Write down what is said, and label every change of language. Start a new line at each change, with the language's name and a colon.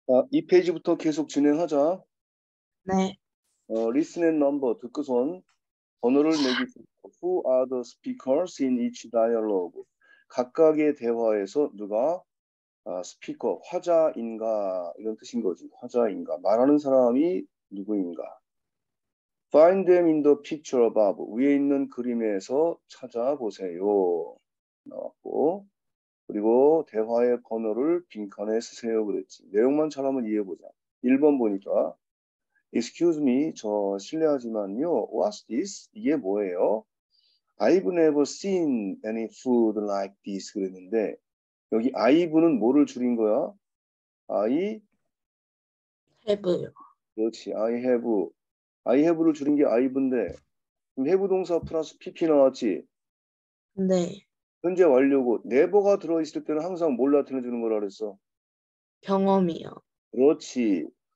Korean: 이 페이지부터 계속 진행하자. 네.
English: Listen and number,
Korean: 듣고선 번호를 매기고
English: Who are the speakers in each dialogue?
Korean: 각각의 대화에서 누가 스피커, 화자인가? 이런 뜻인 거지. 화자인가? 말하는 사람이 누구인가?
English: Find them in the picture above.
Korean: 위에 있는 그림에서 찾아보세요. 나왔고. 그리고 대화의 번호를 빈칸에 쓰세요 그랬지. 내용만 잘 한번 이해해보자. 1번 보니까
English: Excuse me,
Korean: 저 실례하지만요.
English: What's this?
Korean: 이게 뭐예요?
English: I've never seen any food like this
Korean: 그랬는데 여기 I've는 뭐를 줄인 거야?
English: I have
Korean: 그렇지.
English: I have.
Korean: I have를 줄인 게 I've인데 have 동사 플러스 PP 나왔지? 네. 현재 완료고 네버가 들어 있을 때는 항상 뭘 나타내 주는 거라 그랬어? 경험이요. 그렇지.